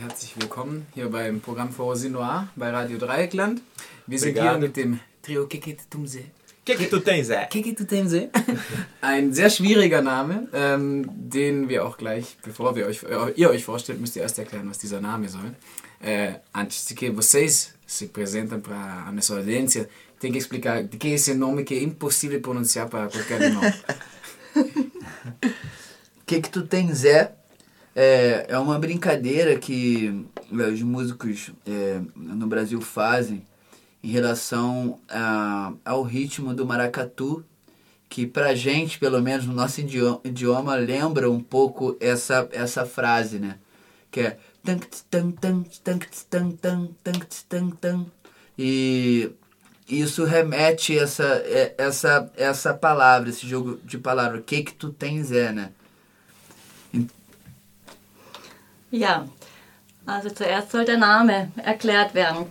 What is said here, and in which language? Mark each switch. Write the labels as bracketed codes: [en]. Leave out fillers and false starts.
[de] Herzlich willkommen hier beim Programm Foros in Noir bei Radio Dreieckland. Wir sind hier mit dem Trio Keketumse. Keketutense. Keketutense. Ein sehr schwieriger Name, den wir auch gleich, bevor wir euch, ihr euch vorstellt, müsst ihr erst erklären, was dieser Name soll. [pt] Antes de que vocês se presentem para a nossa audiência, tem que explicar de que esse nome que é impossível pronunciar para qualquer nome. Que tu tens é? É uma brincadeira que os músicos no Brasil fazem em relação ao ritmo do maracatu, que pra gente, pelo menos no nosso idioma, lembra um pouco essa frase, né? Que é tan-tan-tan-tan-tan-tan-tan-tan-tan. E isso remete a essa palavra, esse jogo de palavras, que tu tens é, né? [de] Ja, also zuerst soll der Name erklärt werden.